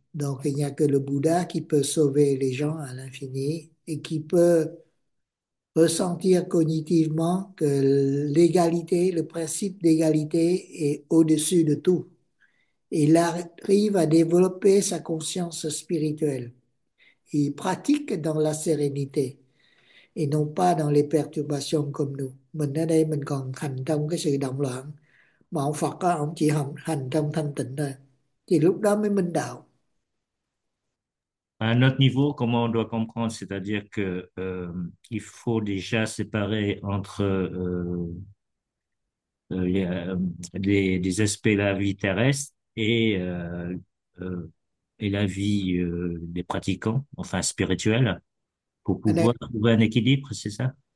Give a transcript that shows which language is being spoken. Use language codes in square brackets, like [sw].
[fr] Donc il n'y a que le Bouddha qui peut sauver les gens à l'infini et qui peut ressentir cognitivement que l'égalité, le principe d'égalité est au-dessus de tout. Il arrive à développer sa conscience spirituelle. Il pratique dans la sérénité et non pas dans les perturbations comme nous. [vi] mình ở đây mình còn hành trong cái sự động loạn, mà ông Phật đó, ông chỉ hành trong thanh tịnh thôi, thì lúc đó mới minh đạo. [fr] Notre niveau, comment on doit comprendre, c'est-à-dire que il faut déjà séparer entre les aspects de la vie terrestre et la vie des pratiquants, enfin spirituels, pour pouvoir trouver un équilibre, c'est ça?